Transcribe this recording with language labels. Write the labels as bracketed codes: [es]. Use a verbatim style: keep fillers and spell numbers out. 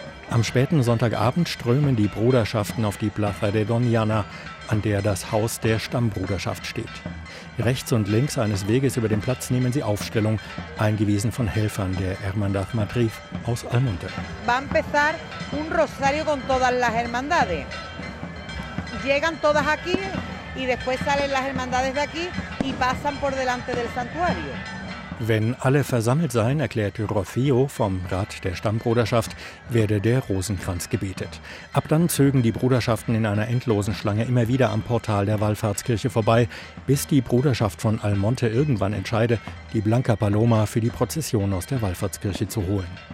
[de] Am späten Sonntagabend strömen die Bruderschaften auf die Plaza de Doñana, an der das Haus der Stammbruderschaft steht. Rechts und links eines Weges über dem Platz nehmen sie Aufstellung, eingewiesen von Helfern der Hermandad Matriz aus Almonte. [es] Va a empezar un rosario con todas las hermandades. Llegan todas aquí y después salen las hermandades de aquí y pasan por delante del santuario. [de] Wenn alle versammelt seien, erklärte Rocío vom Rat der Stammbruderschaft, werde der Rosenkranz gebetet. Ab dann zögen die Bruderschaften in einer endlosen Schlange immer wieder am Portal der Wallfahrtskirche vorbei, bis die Bruderschaft von Almonte irgendwann entscheide, die Blanca Paloma für die Prozession aus der Wallfahrtskirche zu holen.